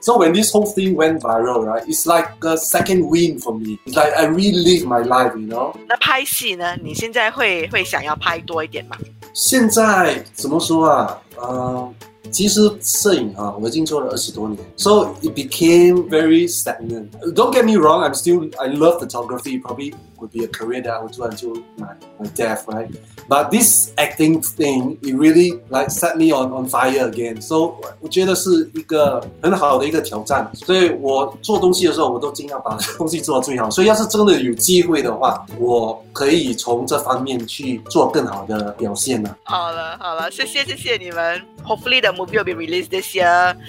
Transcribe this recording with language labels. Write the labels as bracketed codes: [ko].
[en] So when this whole thing went viral， right， it's like a second wind for me， it's like I relive my life， you know。 [zh] 那拍戏呢，你现在会想要拍多一点吗？现在怎么说啊？其实摄影啊，我已经做了20多年 ， [en] so it became very stagnant. Don't get me wrong, I love photography. Probably would be a career that I would do until my death, right? But this acting thing, it really like set me on fire again. [zh] So 我觉得是一个很好的一个挑战。所以我做东西的时候，我都尽量把东西做到最好。所以要是真的有机会的话，我可以从这方面去做更好的表现呢。好了，谢谢你们。 [en] Hopefully the movie will be released this year.